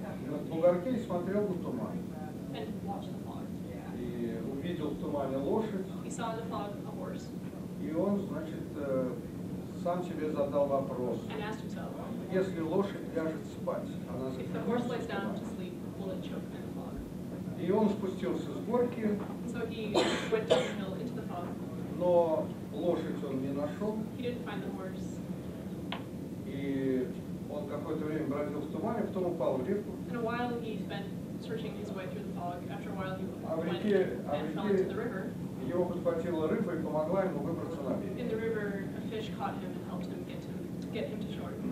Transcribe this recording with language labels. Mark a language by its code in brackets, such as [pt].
[ru] на бугорке и смотрел на туман. [en] And watched the fog. [ru] И увидел в тумане лошадь. [en] He saw the fog, a horse. [ru] И он, значит, сам себе задал вопрос. [en] And asked himself, [ru] если лошадь ляжет спать, она [en] if the horse lies down to sleep, will it choke? [ru] И он спустился с горки, [en] so he went down the hill into the fog. [ru] Но лошадь он не нашел. [en] He didn't find the horse. [ru] И он какое-то время бродил в тумане, потом упал в реку. [en] And a while he spent searching his way through the fog. After a while he went and fell into the river. [ru] Его подхватила рыба и помогла ему выбраться на берег. [en] In the river, a fish caught him and helped him get him to shore.